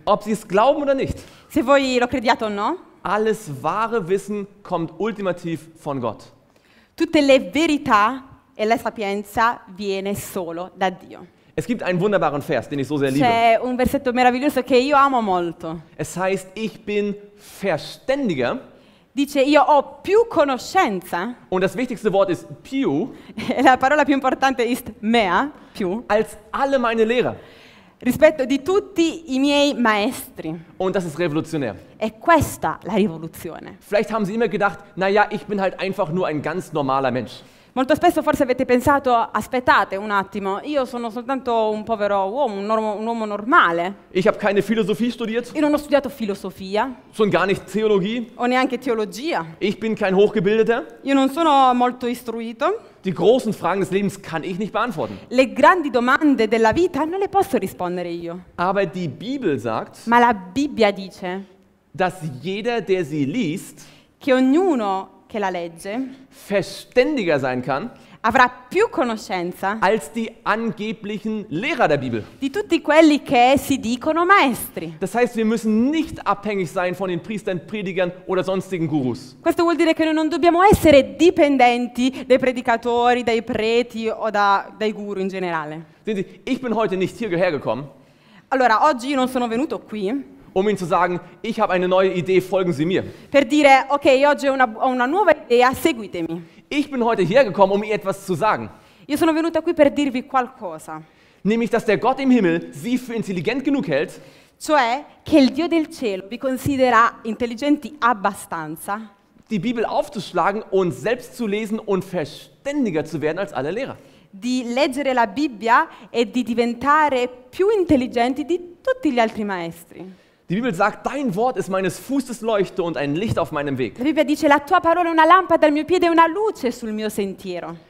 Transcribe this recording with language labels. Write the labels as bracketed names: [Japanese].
[German] Ob sie es glauben oder nicht. [Italian] Se voi lo crediate o no. [German] Alles wahre Wissen kommt ultimativ von Gott. [Italian] Tutte le verità e la sapienza viene solo da Dio. [German] Es gibt einen wunderbaren Vers, den ich so sehr liebe. [Italian] C'è un versetto meraviglioso che io amo molto. [German] Es heißt, ich bin verständiger. [Italian] Dice, io ho più conoscenza. [German] Und das wichtigste Wort ist più. [Italian] La parola più importante [German] ist mehr, [Italian] più. [German] Als alle meine Lehrer. [Italian] Rispetto di tutti i miei maestri. [German] Und das ist revolutionär. [Italian] È questa la rivoluzione. [German] Vielleicht haben sie immer gedacht, naja, ich bin halt einfach nur ein ganz normaler Mensch. [Italian] Molto spesso forse avete pensato, aspettate un attimo, io sono soltanto un povero uomo, un uomo normale. [German] Ich habe keine Philosophie studiert. [Italian] Io non ho studiato filosofia. [German] Schon gar nicht Theologie. [Italian] O neanche teologia. [German] Ich bin kein Hochgebildeter. [Italian] Io non sono molto istruito. [German] Die großen Fragen des Lebens kann ich nicht beantworten. [Italian] Le grandi domande della vita non le posso rispondere io. [German] Aber die Bibel sagt, [Italian] ma la Bibbia dice, [German] dass jeder, der sie liest, [Italian] che ognuno che la legge, [German] verständiger sein kann, [Italian] avrà più conoscenza, [German] als die angeblichen Lehrer der Bibel, [Italian] di tutti quelli che si dicono maestri. [German] Das heißt, wir müssen nicht abhängig sein von den Priestern, Predigern oder sonstigen Gurus. [Italian] Questo vuol dire che noi non dobbiamo essere dipendenti dai predicatori, dai preti o dai guru in generale. [German] Sehen Sie, ich bin heute nicht hierher gekommen. [Italian] Allora, oggi non sono venuto qui. [German] Um ihnen zu sagen, ich habe eine neue Idee, folgen Sie mir. [Italian] Per dire, okay, oggi ho una nuova idea, seguitemi. [German] Ich bin heute hergekommen, um ihr etwas zu sagen. [Italian] Io sono venuta qui per dirvi qualcosa. [German] Nämlich, dass der Gott im Himmel Sie für intelligent genug hält. [Italian] Cioè, che il Dio del cielo vi considera intelligenti abbastanza. [German] Die Bibel aufzuschlagen und selbst zu lesen und verständiger zu werden als alle Lehrer. [Italian] Di leggere la Bibbia e di diventare più intelligenti di tutti gli altri maestri. [German] Die Bibel sagt, dein Wort ist meines Fußes Leuchte und ein Licht auf meinem Weg. [Italian] La Bibbia dice, la tua parola è una lampada al mio piede e una luce sul mio sentiero.